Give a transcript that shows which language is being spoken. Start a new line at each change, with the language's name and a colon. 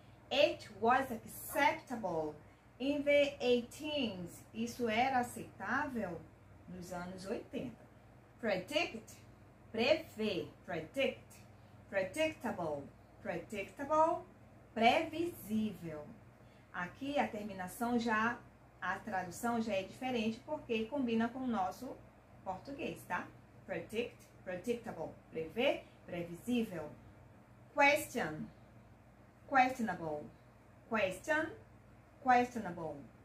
English: It was acceptable in the 80s.
Portuguese: Isso era aceitável nos anos 80.
English: Predict, prever, predict, predictable, predictable, previsível.
Portuguese: Aqui a terminação já, a tradução já é diferente porque combina com o nosso português, tá?
English: Predict, predictable, prever, previsível. Question, questionable, question, questionable.